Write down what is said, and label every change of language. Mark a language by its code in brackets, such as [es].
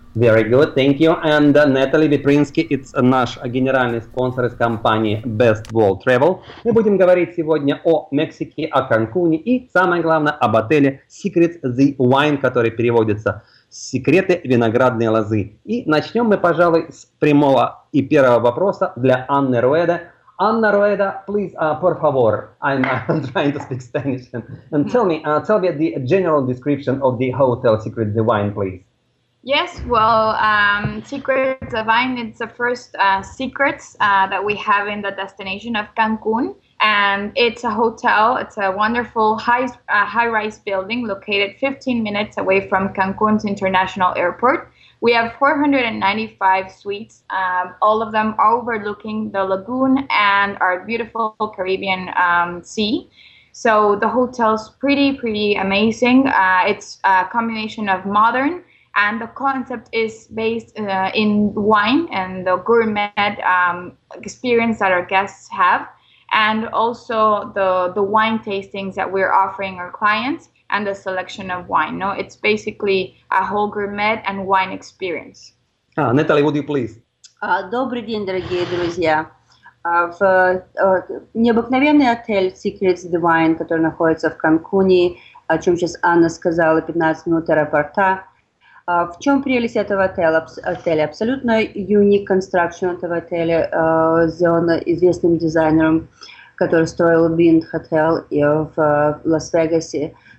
[en] Very good, thank you. And Натали Витринский, it's [ru] наш генеральный спонсор из компании [en] Best World Travel. [ru] Мы будем говорить сегодня о Мексике, о Канкуне и, самое главное, об отеле Secrets the Wine, который переводится «Секреты виноградной лозы». И начнем мы, пожалуй, с прямого и первого вопроса для Анны Руэда. [en] Anna Rueda, please, [es] por favor, [en] I'm trying to speak Spanish, and tell me the general description of the hotel Secrets of the Wine, please. Yes, well, Secrets of the Wine, it's the first secrets that we have in the destination of Cancun, and it's a hotel, it's a wonderful high-rise building located 15 minutes away from Cancun's international airport. We have 495 suites, all of them overlooking the lagoon and our beautiful Caribbean sea. So the hotel's pretty amazing. It's a combination of modern, and the concept is based in wine and the gourmet experience that our guests have. And also the wine tastings that we're offering our clients. And the selection of wine. No, it's basically a whole gourmet and wine experience. Natalie, would you please? [ru] Добрый день, дорогие друзья. В необыкновенный отель Secrets of the Wine, который находится в Канкуне, о чем сейчас Анна сказала, 15 минут аэропорта. В чем прелесть этого отеля? Абсолютно [en] unique construction [ru] этого отеля, сделана известным дизайнером, который строил Wynn Hotel в Лас-Вегасе.